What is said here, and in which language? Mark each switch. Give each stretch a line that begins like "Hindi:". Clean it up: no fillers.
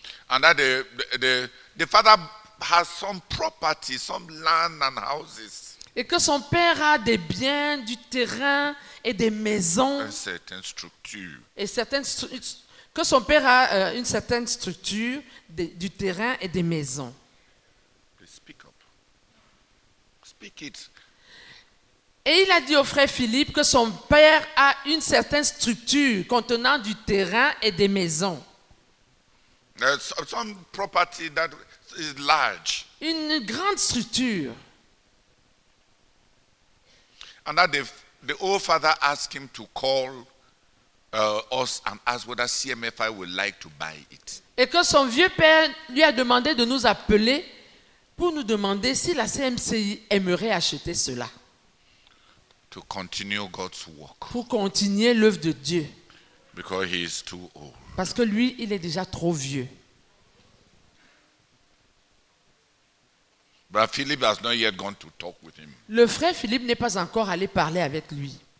English: And that the father has some property, some land and houses.
French: Et que son père a des biens, du terrain et des maisons.
English: A certain structure.
French: Et certaines que son père a une certaine structure du terrain et des maisons.
English: Speak up. Speak it.
French: Et il a dit au frère Philippe que son père a une certaine structure contenant du terrain et des maisons.
English: Some property that is large.
French: Une grande structure.
English: And that the old father asked him to call us and ask whether CMFI would like to buy it.
French: Et que son vieux père lui a demandé de nous appeler pour nous demander si la CMCI aimerait acheter cela.
English: To continue God's work.
French: Pour continuer l'œuvre de Dieu.
English: Because he is too old.
French: Parce que lui, il est déjà trop vieux.
English: But Philip has not yet gone to talk with him.
French: Le frère Philippe n'est pas encore allé parler avec lui.